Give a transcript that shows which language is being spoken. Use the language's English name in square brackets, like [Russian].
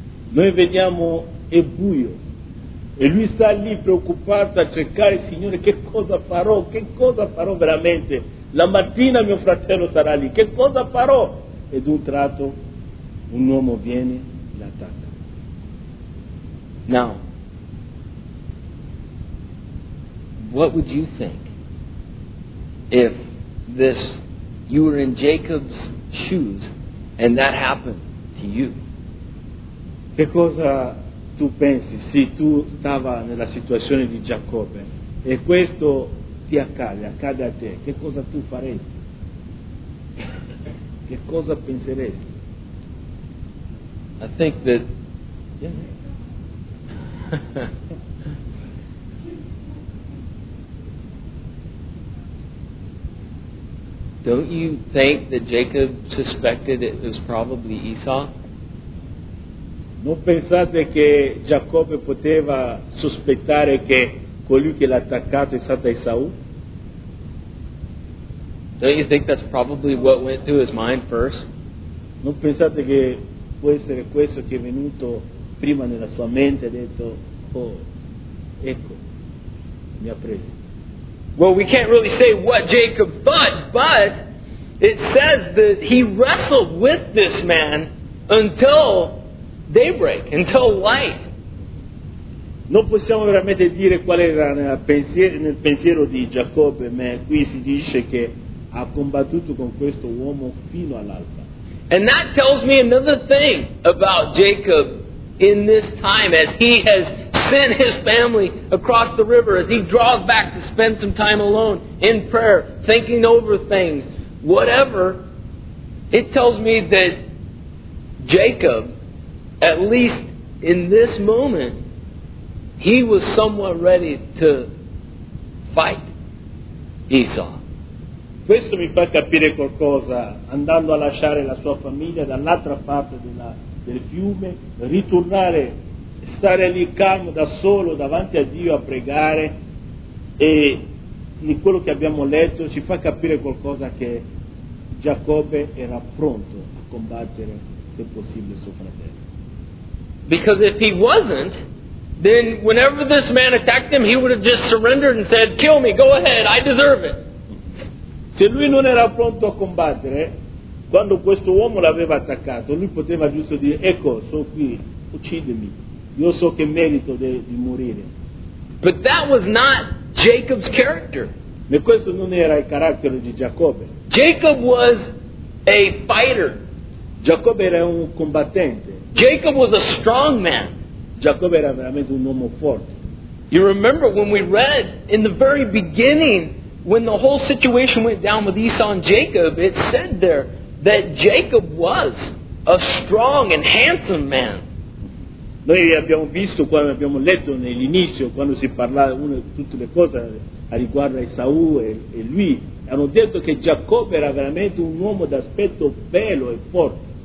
[Italian] Noi vediamo è buio e lui sta lì preoccupato a cercare il Signore, che cosa farò? Che cosa farò veramente? La mattina mio fratello sarà lì, che cosa farò? Ed un tratto un uomo viene e l'attacca. [English] Now, what would you think if this, you were in Jacob's shoes and that happened to you? [Italian] Che cosa tu pensi se tu stava nella situazione di Giacobbe e questo ti accade a te? Che cosa tu faresti? Che cosa penseresti? [English] I think that... Don't you think that Jacob suspected it was probably Esau? [Italian] Non pensate che Giacobbe poteva sospettare che colui che l'ha attaccato è stato Esau? [English] Don't you think that's probably what went through his mind first? [Italian] Non pensate che può essere questo che è venuto prima nella sua mente e ha detto, oh, ecco, mi ha preso. [English] Well, we can't really say what Jacob thought, but it says that he wrestled with this man until daybreak, until light. [Italian] Non possiamo veramente dire qual era nel pensiero di Giacobbe, ma qui si dice che ha combattuto con questo uomo fino all'alba. [English] And that tells me another thing about Jacob in this time as he has send his family across the river as he draws back to spend some time alone in prayer, thinking over things, whatever. It tells me that Jacob, at least in this moment, he was somewhat ready to fight Esau. [Italian] Questo mi fa capire qualcosa, andando a lasciare la sua famiglia dall'altra parte del fiume, ritornare, stare lì calmo da solo davanti a Dio a pregare, e di quello che abbiamo letto ci fa capire qualcosa, che Giacobbe era pronto a combattere se possibile suo fratello. [English] Because if he wasn't, then whenever this man attacked him he would have just surrendered and said, kill me, go ahead, I deserve it. [Italian] Se lui non era pronto a combattere quando questo uomo l'aveva attaccato, lui poteva giusto dire, ecco, sono qui, uccidimi, io so che merito di morire. [English] But that was not Jacob's character. [Italian] Ma questo non era il carattere di Giacobbe. [English] Jacob was a fighter. [Italian] Giacobbe era un combattente. [English] Jacob was a strong man. [Italian] Giacobbe era veramente un uomo forte. [English] You remember when we read in the very beginning, when the whole situation went down with Esau and Jacob, it said there that Jacob was a strong and handsome man. [Italian] Noi abbiamo visto, quando abbiamo letto nell'inizio, quando si parlava di tutte le cose a riguardo a Esau e lui, hanno detto che Giacobbe era veramente un uomo d'aspetto bello e forte.